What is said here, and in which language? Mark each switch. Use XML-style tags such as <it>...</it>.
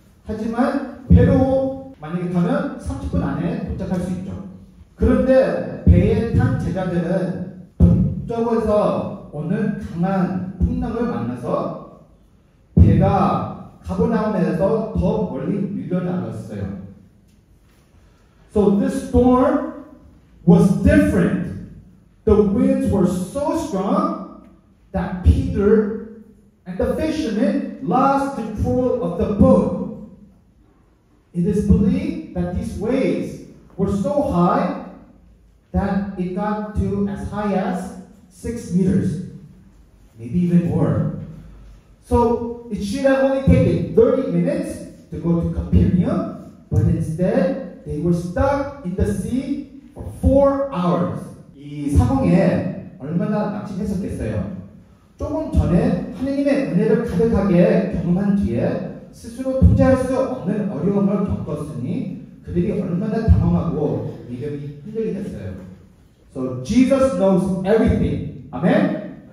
<ko>하지만 배로 만약에 가면 30분 안에 도착할 수 있죠. 그런데 배에 탄 제자들은 동쪽에서 오는 강한 풍랑을 만나서 배가 가버나움에서 더 멀리 밀려나갔어요.</ko> <en>So this storm was different. The winds were so strong that Peter and the fishermen lost control of the boat. It is believed that these waves were so high that it got to as high as 6 meters, maybe even more. So it should have only taken 30 minutes to go to Capernaum, but instead they were stuck in the sea for 4 hours.</en> <ko>이 상황에 얼마나 낙심했었겠어요. 조금 전에 하느님의 은혜를 가득하게 경험한 뒤에 스스로 통제할 수 없는 어려움을 겪었으니 그들이 얼마나 당황하고 믿음이 흔들리겠어요.</ko> <en>So Jesus knows everything. Amen?</en>